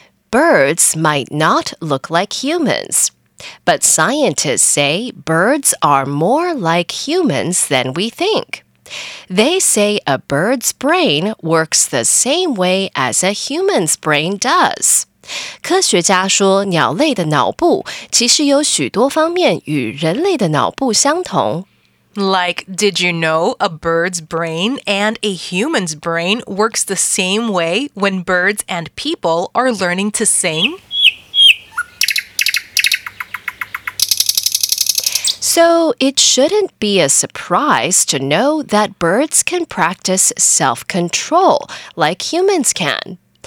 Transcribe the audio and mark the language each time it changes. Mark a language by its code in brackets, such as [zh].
[en] Birds might not look like humans, but scientists say birds are more like humans than we think. They say a bird's brain works the same way as a human's brain does. [zh] 科学家说鸟类的脑部其实有许多方面与人类的脑部相同。 [en] Like, did you know a bird's brain and a human's brain works the same way when birds and people are learning to sing? So it shouldn't be a surprise to know that birds can practice self-control like humans can.